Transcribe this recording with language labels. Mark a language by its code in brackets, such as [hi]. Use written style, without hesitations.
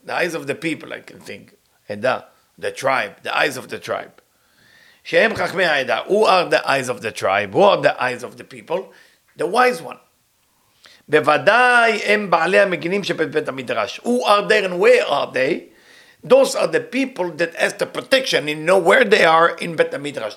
[en] The eyes of the people, I can think. Eda, the tribe, the eyes of the tribe. [he] שהם חכמי העדה, [en] who are the eyes of the tribe, who are the eyes of the people, the wise one. [he] בוודאי הם בעלי המגינים שבבית המדרש. [en] Who are they and where are they? Those are the people that has the protection and know where they are in בית המדרש.